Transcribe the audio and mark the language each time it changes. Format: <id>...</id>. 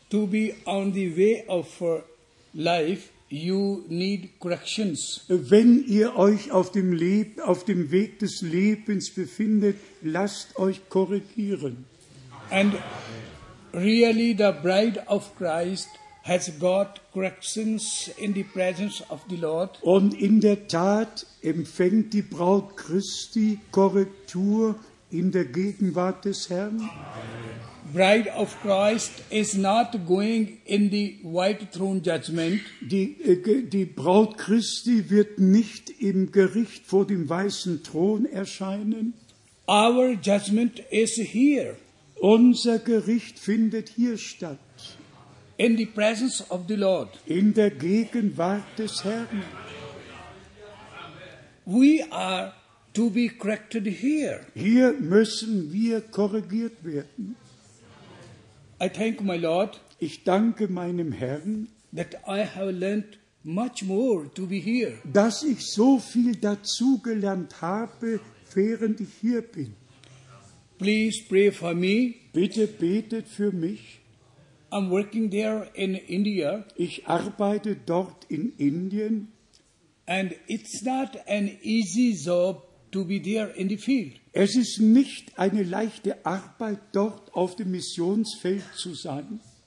<en>to be on the way of life, you need corrections.</en> <de>Wenn ihr euch auf dem Weg des Lebens befindet, lasst euch korrigieren.</de> <en>And really the bride of Christ has got corrections in the presence of the Lord.</en> <de>Und in der Tat empfängt die Braut Christi Korrektur in der Gegenwart des Herrn.</de> <en>Bride of Christ is not going in the white throne judgment.</en> <de>Die Braut Christi wird nicht im Gericht vor dem weißen Thron erscheinen.</de> <en>Our judgment is here.</en> <de>Unser Gericht findet hier statt.</de> <en>In the presence of the Lord.</en> <de>In der Gegenwart des Herrn.</de> <en>We are to be corrected here.</en> <de>Hier müssen wir korrigiert werden.</de> <en>I thank my Lord.</en> <de>Ich danke meinem Herrn,</de> <en>that I have learned much more to be here.</en> <de>Dass ich so viel dazugelernt habe, während ich hier bin.</de> <en>Please pray for me.</en> <de>Bitte betet für mich.</de> <en>I'm working there in India.</en> <de>Ich arbeite dort in Indien.</de> <en>And it's not an easy job to be there in the field.</en> <de>Es ist nicht eine leichte Arbeit, dort auf dem Missionsfeld zu sein.</de>